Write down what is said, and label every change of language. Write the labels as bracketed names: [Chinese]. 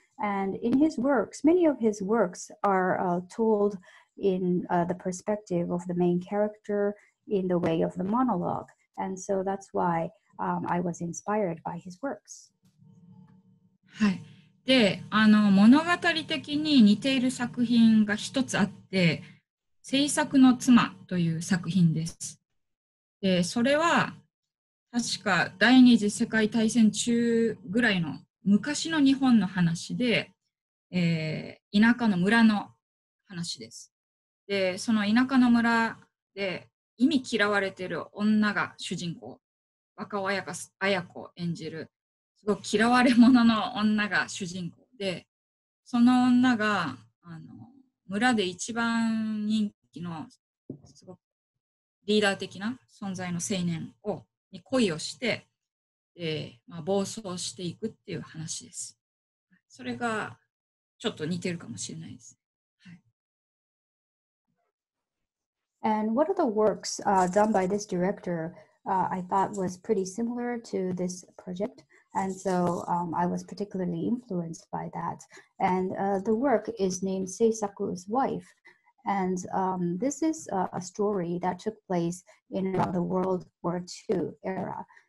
[English] And in his works, many of his works are told in the perspective of the main character in the way of the monologue. And so that's why I was inspired by his works. [Japanese] はい。で、物語的に似ている作品が一つあって、制作の妻という作品です。で、それは確か第二次世界大戦中ぐらいの昔の日本の話で、田舎の村の話です。で、その田舎の村で忌み嫌われてる女が主人公、若尾彩子を演じるすごく嫌われ者の女が主人公で、その女が村で一番人気のすごくリーダー的な存在の青年を恋をして、まあ、暴走していくっていう話です。それがちょっと似てるかもしれないです。はい。 [English] And what are the works done by this director I thought was pretty similar to this project. And so I was particularly influenced by that. And the work is named Seisaku's Wife. And this is a story that took place in the World War II era.